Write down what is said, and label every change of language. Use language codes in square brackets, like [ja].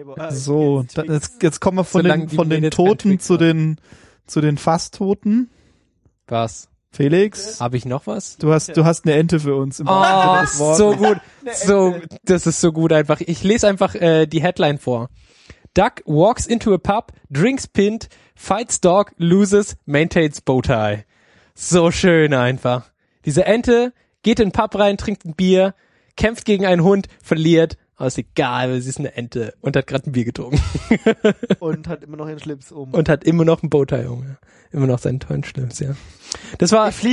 [de] So, jetzt kommen wir von den Toten zu den fast Toten. Was? Felix, habe ich noch was? Du hast eine Ente für uns. Oh, so gut, so das ist so gut einfach. Ich lese einfach die Headline vor. [en] Duck walks into a pub, drinks pint, fights dog, loses, maintains bowtie. [de] So schön einfach. Diese Ente geht in den Pub rein, trinkt ein Bier, kämpft gegen einen Hund, verliert. Aber ist egal, weil sie ist eine Ente und hat gerade ein Bier getrunken. Und hat immer noch ihren Schlips um. Und hat immer noch einen Bowtie um. Immer noch seinen tollen Schlips, ja. Das war.